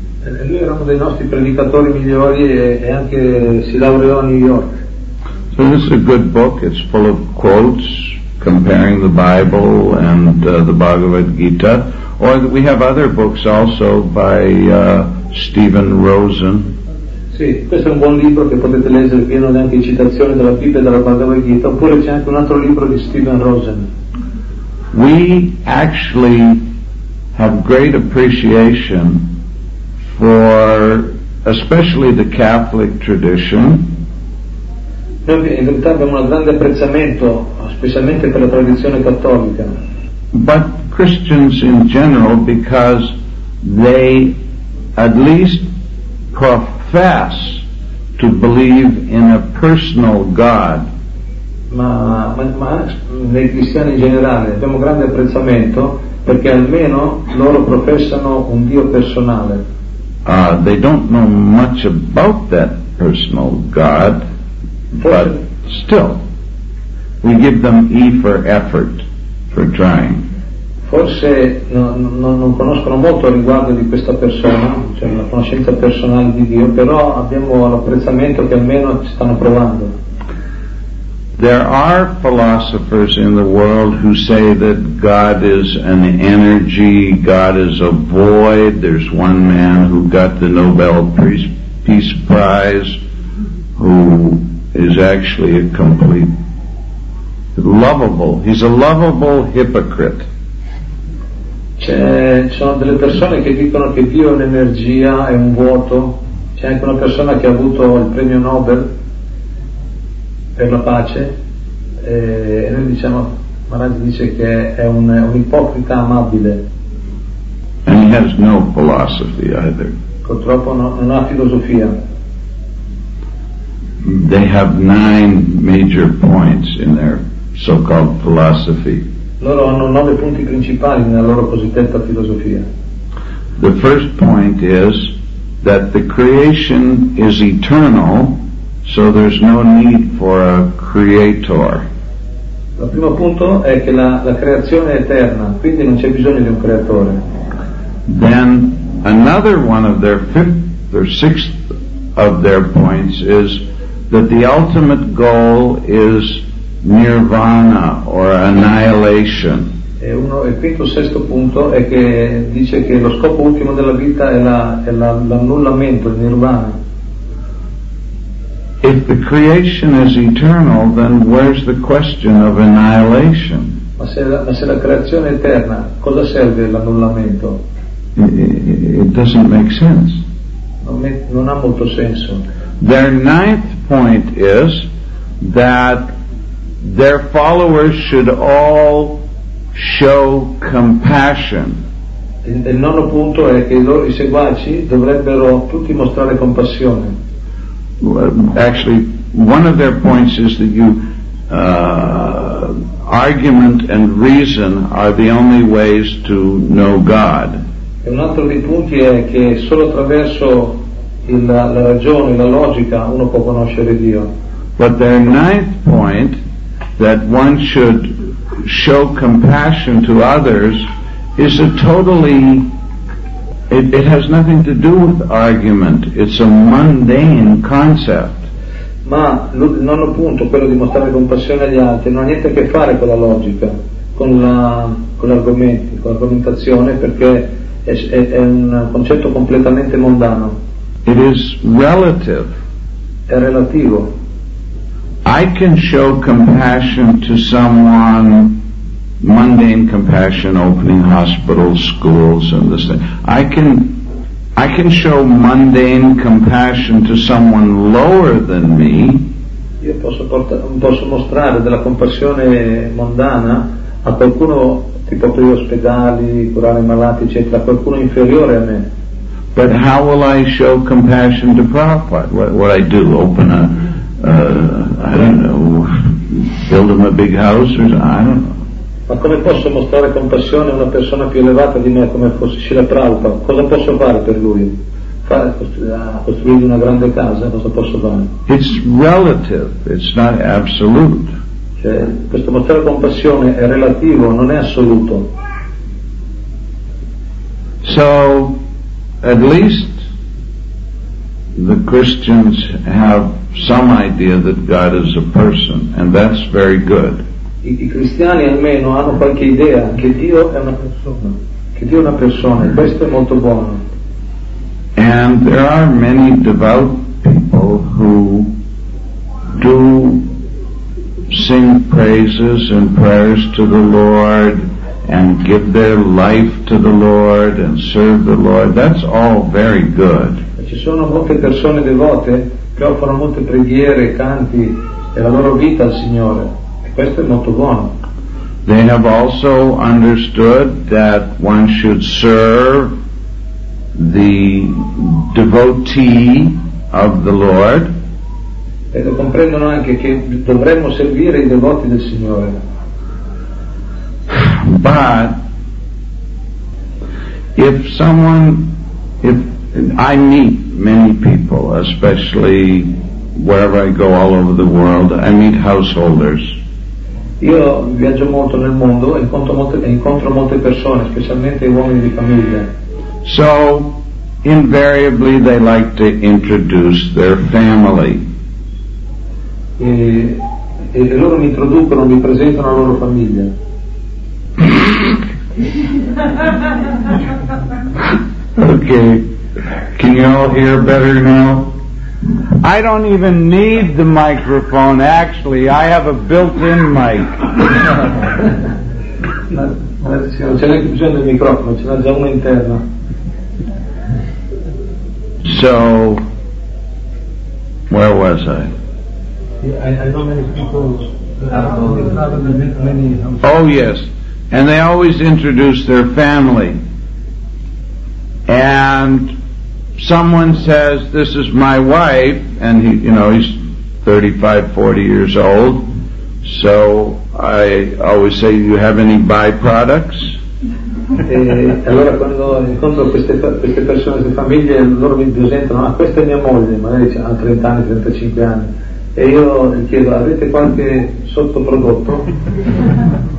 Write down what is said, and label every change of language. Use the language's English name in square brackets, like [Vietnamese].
[Italian] Lui era uno dei nostri predicatori migliori e anche si laureò a New York. [English] So this is a good book. It's full of quotes comparing the Bible and the Bhagavad Gita. Or we have other books also by Stephen Rosen. [Italian] Sì, questo è un buon libro che potete leggere, pieno di anche citazioni della Bibbia e della Bhagavad Gita, oppure c'è anche un altro libro di Stephen Rosen. [English] We actually have great appreciation for especially the Catholic tradition. [Italian] Noi in realtà abbiamo un grande apprezzamento, specialmente per la tradizione cattolica. [English] But Christians in general, because they at least profess to believe in a personal God. [Italian] Ma nei cristiani in generale abbiamo grande apprezzamento perché almeno loro professano un Dio personale. [English] They don't know much about that personal God, but still, we give them E for effort, for trying. [Italian] Forse non conoscono molto a riguardo di questa persona, cioè una conoscenza personale di Dio, però abbiamo l'apprezzamento che almeno ci stanno provando. [English] There are philosophers in the world who say that God is an energy, God is a void. There's one man who got the Nobel Peace Prize who is actually a complete lovable. He's a lovable hypocrite. [Italian] Ci sono delle persone che dicono che Dio è un'energia, è un vuoto. C'è anche una persona che ha avuto il premio Nobel per la pace e noi diciamo, Maharaj dice che è un ipocrita amabile. [English] And he has no philosophy either. [Italian] Purtroppo non ha filosofia. [English] They have 9 major points in their so-called philosophy. [Italian] Loro hanno 9 punti principali nella loro cosiddetta filosofia. [English] The first point is that the creation is eternal, so there's no need for a creator. [Italian] Il primo punto è che la creazione è eterna, quindi non c'è bisogno di un creatore. [English] Then another one of their fifth or sixth of their points is that the ultimate goal is Nirvana or annihilation. [Italian] E uno, il quinto, sesto punto è che dice che lo scopo ultimo della vita è l'annullamento, il Nirvana. [English] If the creation is eternal, then where's the question of annihilation? [Italian] Ma se la creazione è eterna, cosa serve l'annullamento? [English] It doesn't make sense. [Italian] Non ha molto senso. [English] Their ninth point is that their followers should all show compassion. [Italian] Il nono punto è che i seguaci dovrebbero tutti mostrare compassione. [English] Actually, one of their points is that you argument and reason are the only ways to know God. [Italian] Un altro dei punti è che solo attraverso la ragione, la logica, uno può conoscere Dio. [English] But their ninth point, that one should show compassion to others, is a totally, it has nothing to do with argument, it's a mundane concept. [Italian] Ma non appunto quello di mostrare compassione agli altri non ha niente a che fare con la logica, con l'argomentazione, perché è un concetto completamente mondano. [English] It is relative. [Italian] È relativo. [English] I can show compassion to someone, mundane compassion, opening hospitals, schools, and this thing. I can show mundane compassion to someone lower than me. [Italian] Io posso mostrare della compassione mondana a qualcuno tipo aprire ospedali, curare malati, eccetera, qualcuno inferiore a me. [English] But how will I show compassion to Prabhupada? What I do? Open a I don't know, build him a big house or something? I don't know. [Italian] Ma come posso mostrare compassione a una persona più elevata di me, come fosse Srila Prabhupada? Cosa posso fare per lui? Costruire una grande casa? Cosa posso fare? [English] It's relative, it's not absolute. [Italian] Cioè, questo mostrare compassione è relativo, non è assoluto. [English] So, at least the Christians have some idea that God is a person, and that's very good. [Italian] I cristiani almeno hanno qualche idea che Dio è una persona, che Dio è una persona, e questo è molto buono. [English] And there are many devout people who do sing praises and prayers to the Lord and give their life to the Lord and serve the Lord. That's all very good. [Italian] Ci sono molte persone devote che offrono molte preghiere, canti e la loro vita al Signore. Questo è molto buono. [English] They have also understood that one should serve the devotee of the Lord. [Italian] E lo comprendono anche che dovremmo servire i devoti del Signore. [English] But if someone, if I meet many people, especially wherever I go all over the world, I meet householders. [Italian] Io viaggio molto nel mondo e incontro molte persone, specialmente uomini di famiglia. [English] So, invariably they like to introduce their family. [Italian] E loro mi introducono, mi presentano la loro famiglia. [English] Okay, can you all hear better now? I don't even need the microphone, actually. I have a built-in mic. [Italian] C'è bisogno del microfono, ce l'ha già uno interno. [English] So, where was I? Oh, yes. And they always introduce their family. And someone says, this is my wife, and he, you know, he's 35, 40 years old, so I always say, you have any byproducts? [Italian] Allora quando incontro queste persone, queste famiglie, loro mi presentano, ah, questa è mia moglie, magari ha 30 anni, 35 anni, e io gli chiedo, avete qualche sottoprodotto?